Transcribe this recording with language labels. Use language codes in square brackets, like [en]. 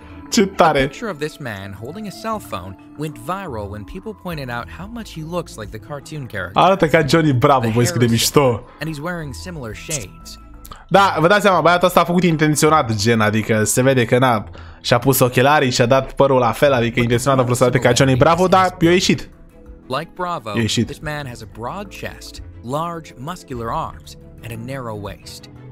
[ro] Ce tare. [en] A picture of this man holding a cell phone went viral when people pointed out how much he looks like the cartoon character. [ro] Arată ca Johnny Bravo, voi scrie mișto. [en] And he's wearing similar shades. [ro] Da, vă dați seama, băiatul ăsta a făcut intenționat gen, adică se vede că n-a și-a pus ochelarii și-a dat părul la fel, adică intenționat a vrut să arate ca Johnny Bravo, dar i-a ieșit. [en] Like Bravo, this man has a broad chest, large muscular arms and a narrow waist.